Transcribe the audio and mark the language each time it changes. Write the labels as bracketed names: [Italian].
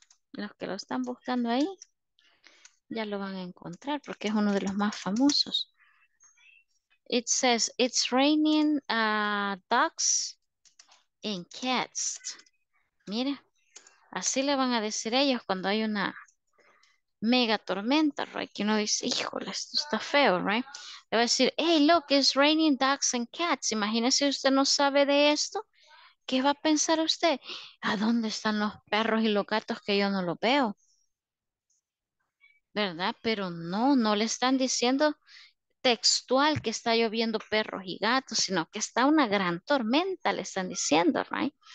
[Spanish] Los que lo están buscando ahí ya lo van a encontrar porque es uno de los más famosos. [English] It says, it's raining ducks and cats. [Spanish] Mira, así le van a decir ellos cuando hay una mega tormenta, right? Que uno dice, híjole, esto está feo, right? Le va a decir, [English] hey, look, it's raining ducks and cats. [Spanish] Imagínese usted no sabe de esto. ¿Qué va a pensar usted? ¿A dónde están los perros y los gatos que yo no los veo? ¿Verdad? Pero no, no le están diciendo textual que está lloviendo perros y gatos, sino que está una gran tormenta, le están diciendo, right?